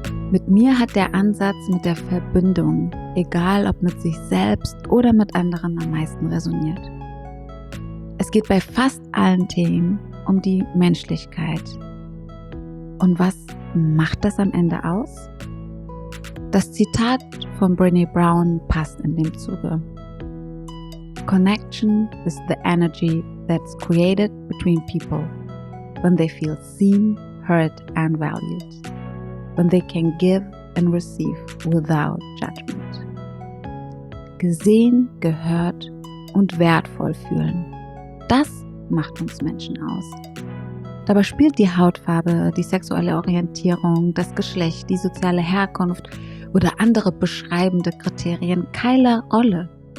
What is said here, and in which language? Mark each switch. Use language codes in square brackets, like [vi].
[de] Mit mir hat der Ansatz mit der Verbindung, egal ob mit sich selbst oder mit anderen, am meisten resoniert. Es geht bei fast allen Themen um die Menschlichkeit. Und was macht das am Ende aus? Das Zitat von Brené Brown passt in dem Zuge. [en] Connection is the energy that's created between people when they feel seen, heard and valued. When they can give and receive without judgment. [de] Gesehen, gehört und wertvoll fühlen. Das macht uns Menschen aus. Dabei spielt die Hautfarbe, die sexuelle Orientierung, das Geschlecht, die soziale Herkunft oder andere beschreibende Kriterien keine Rolle.